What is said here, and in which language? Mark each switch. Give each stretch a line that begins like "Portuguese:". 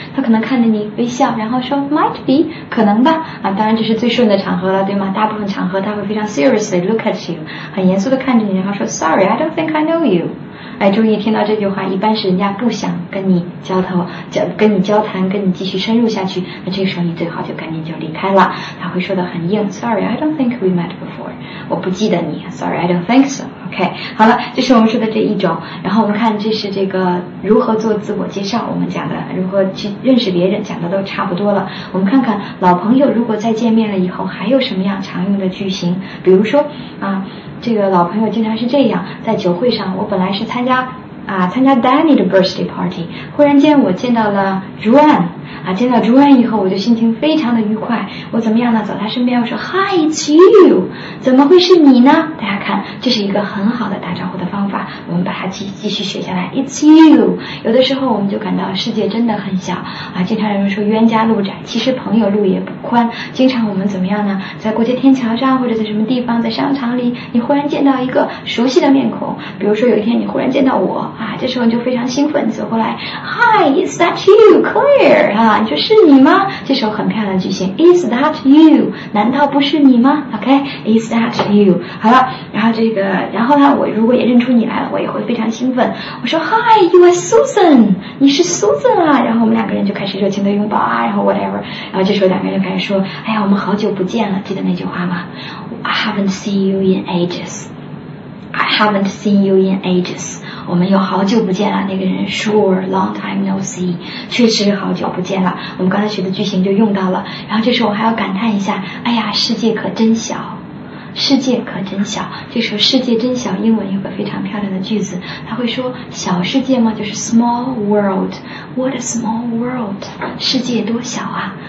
Chinese: 他可能看着你微笑，然后说
English: Might be,
Chinese: 可能吧啊，当然这是最顺的场合了对吗，大部分场合他会非常
English: seriously look at you,
Chinese: 很严肃地看着你，然后说
English: Sorry, I don't think I know you。
Chinese: 哎，注意听到这句话，一般是人家不想跟你交谈，跟你继续深入下去，那这个时候你最好就赶紧就离开了。他会说得很硬
English: ，Sorry, I don't think we met before.
Chinese: 我不记得你
English: ，Sorry, I don't think so. OK,
Chinese: 好了，这是我们说的这一种。然后我们看这是这个如何做自我介绍，我们讲的如何去认识别人，讲的都差不多了。我们看看老朋友如果再见面了以后，还有什么样常用的句型，比如说啊。这个老朋友经常是这样，在酒会上，我本来是参加 Danny 的 birthday party, 忽然间我见到了 Juan, 啊，见到 Juan 以后，我就心情非常的愉快。我怎么样呢？走他身边，我说
English: Hi, it's you,
Chinese: 怎么会是你呢？大家看，这是一个很好的打招呼的方法，我们把它继续学下来。
English: It's you,
Chinese: 有的时候我们就感到世界真的很小啊。经常有人说冤家路窄，其实朋友路也不宽。经常我们怎么样呢？在过街天桥上，或者在什么地方，在商场里，你忽然见到一个熟悉的面孔，比如说有一天你忽然见到我。啊，这时候你就非常兴奋，你走过来 ，
English: Hi, is that you,
Chinese: Claire? 啊，你说是你吗？这时候很漂亮的句型 ，
English: Is that you?
Chinese: 难道不是你吗 ？
English: OK, is that you?
Chinese: 好了，然后呢，我如果也认出你来了，我也会非常兴奋。我说 ，
English: Hi, you are Susan,
Chinese: 你是 Susan 啊。然后我们两个人就开始热情的拥抱啊，然后 whatever。然后这时候两个人就开始说，哎呀，我们好久不见了，记得那句话吗 ？
English: I haven't seen you in ages. I haven't seen you in ages.
Chinese: 我们有好久不见了，那个人
English: sure, long time no see.
Chinese: 确实好久不见了，我们刚才学的句型就用到了。然后这时候我还要感叹一下，哎呀，世界可真小。世界可真小，这时候世界真小，英文有个非常漂亮的句子，他会说小世界吗？就是
English: small world, what a small world,
Chinese: 世界多小啊